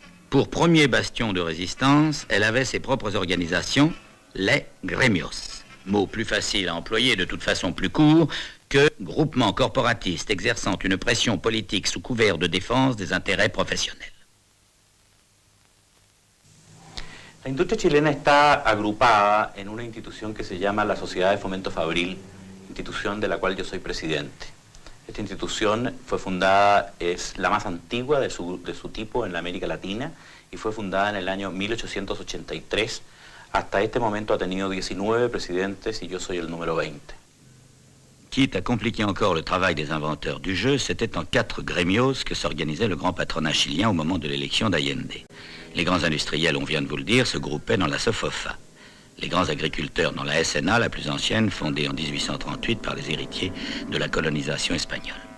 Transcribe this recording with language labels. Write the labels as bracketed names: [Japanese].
[French] Pour premier bastion de résistance, elle avait ses propres organisations, les gremios. Mot plus facile à employer, de toute façon plus court, que groupement corporatiste exerçant une pression politique sous couvert de défense des intérêts professionnels. [Spanish] La industria chilena está agrupada en una institución que se llama la Sociedad de Fomento Fabril, institución de la cual yo soy presidente. Esta institución fue fundada, es la más antigua de su tipo en la América Latina y fue fundada en el año 1883. Hasta este momento ha tenido 19 presidentes y yo soy el número 20. [French] Quitte à compliquer encore le travail des inventeurs du jeu, c'était en quatre gremios que s'organisait le grand patronat chilien au moment de l'élection d'Allende. Les grands industriels, on vient de vous le dire, se groupaient dans la SOFOFA. Les grands agriculteurs dans la SNA, la plus ancienne, fondée en 1838 par les héritiers de la colonisation espagnole.